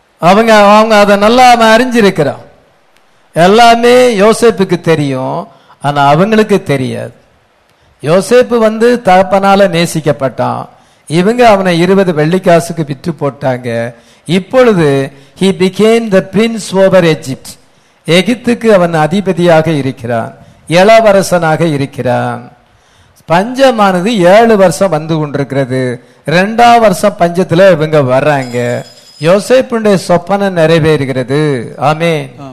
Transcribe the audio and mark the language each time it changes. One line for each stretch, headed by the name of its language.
Tamil: அவங்க அதை நல்லா அறிஞ்சிருக்கிறான். எல்லாமே யோசேப்புக்கு தெரியும், ஆனா அவங்களுக்கு தெரியாது. யோசேப்பு வந்து தகப்பனால நேசிக்கப்பட்டான். இவங்க அவனை 20 வெள்ளிக்காசுக்கு விற்று போட்டாங்க. இப்பொழுது
English: he became the prince over Egypt.
Tamil: எகிப்துக்கு அவன் அதிபதியாக இருக்கிறான், இளவரசனாக இருக்கிறான். பஞ்சமானது 7 வருஷம் வந்து கொண்டிருக்கிறது. 2வது வருஷம் பஞ்சத்துல இவங்க வர்றாங்க. யோசேப்புடைய சொப்பனம் நிறைவேறுகிறது. ஆமென்.